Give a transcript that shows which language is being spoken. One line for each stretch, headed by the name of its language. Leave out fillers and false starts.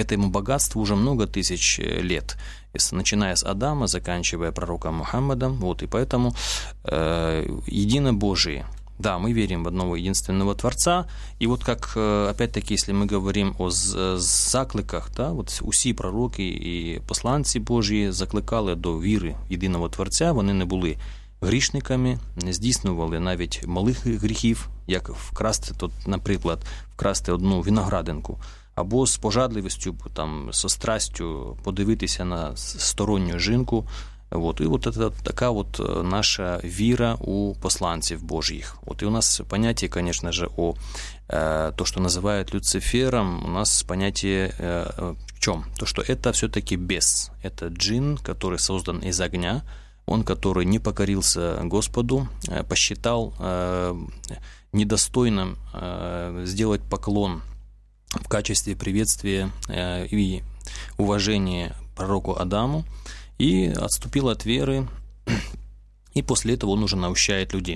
Russian: богатству уже много тысяч лет, начиная с Адама, заканчивая пророком Мухаммадом, вот, и поэтому единобожие, да, мы верим в одного единственного Творца, и вот как, опять-таки, если мы говорим о
Ukrainian: закликах,
Russian: да, вот
Ukrainian: усі пророки
Russian: и посланцы Божьи
Ukrainian: закликали до
Russian: веры единого Творца, они не были
Ukrainian: грішниками, не здійснювали навіть малих гріхів, як вкрасти, тут, наприклад, вкрасти одну виноградинку, або з пожадливістю, там,
Russian: со страстю
Ukrainian: подивитися на сторонню жінку. Вот. І от така от наша віра у посланців Божих. От і у нас поняття, звісно ж, о то, що називають Люцифером, у нас поняття в чому? То, що це все-таки бес, це джин, який
Russian: создан із огня, он, который не покорился Господу, посчитал недостойным сделать поклон в качестве приветствия и уважения пророку Адаму, и отступил от веры, и после этого он уже наущает людей.